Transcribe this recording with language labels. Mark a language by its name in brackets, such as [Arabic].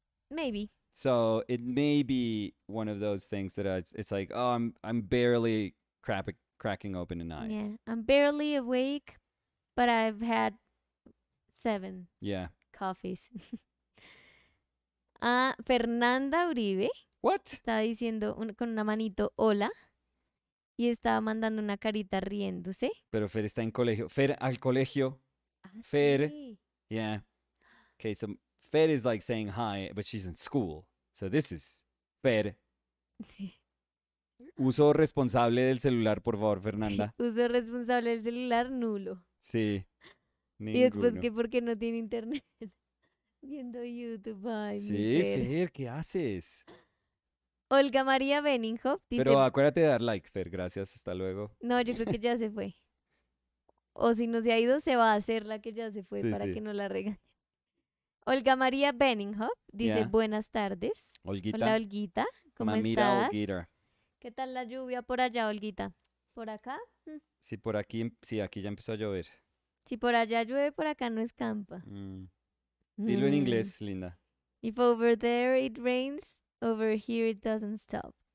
[English] Maybe. So, it may be one of those things that it's like, oh, I'm barely cracking open an eye. Yeah, I'm barely awake, but I've had 7 coffees. Fernanda Uribe. What? [Spanish] Está diciendo con una manito hola y está mandando una carita riéndose. Pero Fer está en colegio. Fer al colegio. Ah, Fer. Sí. [English] Yeah. Okay, so Fer is like saying hi, but she's in school. So this is Fer. [Spanish] Sí. Uso responsable del celular, por favor, Fernanda. Uso responsable del celular, nulo. Sí. Y después, ¿qué? ¿Por qué no tiene internet? Viendo YouTube. Ay, sí, Fer, ¿qué haces? Olga María Beninghoff dice... Pero acuérdate de dar like, Fer. Gracias, hasta luego. No, yo creo que ya se fue. O si no se ha ido, se va a hacer la que ya se fue que no la regañe. Olga María Beninghoff dice, buenas tardes. Olguita. Hola, Olguita. ¿Cómo Mamira estás? Mamira Olguita. ¿Qué tal la lluvia por allá, Olguita? ¿Por acá? Sí, por aquí. Sí, aquí ya empezó a llover. Si por allá llueve, por acá no escampa. Dilo en inglés, linda. [English] If over there it rains, over here it doesn't stop.